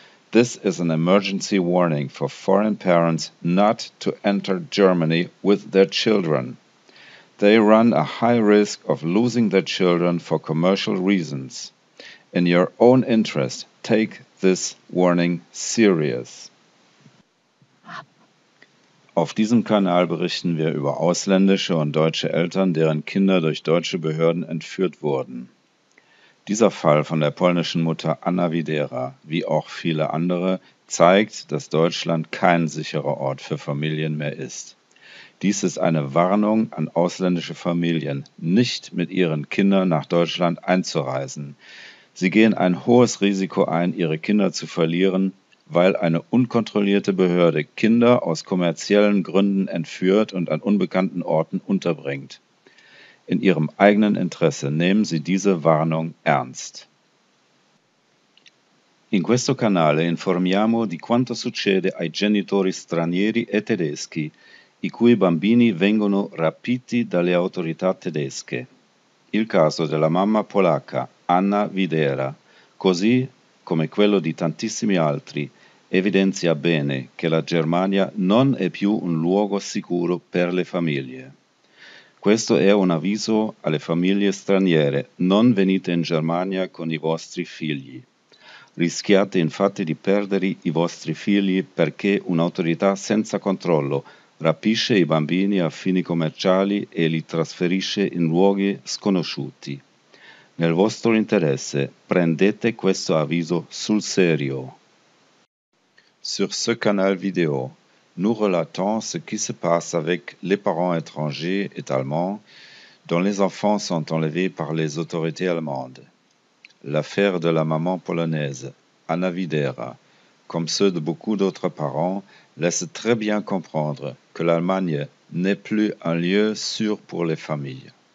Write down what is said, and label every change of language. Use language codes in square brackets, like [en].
[en] This is an emergency warning for foreign parents not to enter Germany with their children. They run a high risk of losing their children for commercial reasons. In your own interest, take this warning serious. [de] Auf diesem Kanal berichten wir über ausländische und deutsche Eltern, deren Kinder durch deutsche Behörden entführt wurden. Dieser Fall von der polnischen Mutter Anna Widera, wie auch viele andere, zeigt, dass Deutschland kein sicherer Ort für Familien mehr ist. Dies ist eine Warnung an ausländische Familien, nicht mit ihren Kindern nach Deutschland einzureisen. Sie gehen ein hohes Risiko ein, ihre Kinder zu verlieren, weil eine unkontrollierte Behörde Kinder aus kommerziellen Gründen entführt und an unbekannten Orten unterbringt. In ihrem eigenen Interesse nehmen Sie diese Warnung ernst. [it] In questo canale informiamo di quanto succede ai genitori stranieri e tedeschi, i cui bambini vengono rapiti dalle autorità tedesche. Il caso della mamma polacca Anna Widera, così come quello di tantissimi altri, evidenzia bene che la Germania non è più un luogo sicuro per le famiglie. Questo è un avviso alle famiglie straniere, non venite in Germania con i vostri figli. Rischiate infatti di perdere i vostri figli perché un'autorità senza controllo rapisce i bambini a fini commerciali e li trasferisce in luoghi sconosciuti. Nel vostro interesse, prendete questo avviso sul serio. [fr] Sur ce canal vidéo, nous relatons ce qui se passe avec les parents étrangers et allemands dont les enfants sont enlevés par les autorités allemandes. L'affaire de la maman polonaise, Anna Widera, comme ceux de beaucoup d'autres parents, laisse très bien comprendre que l'Allemagne n'est plus un lieu sûr pour les familles.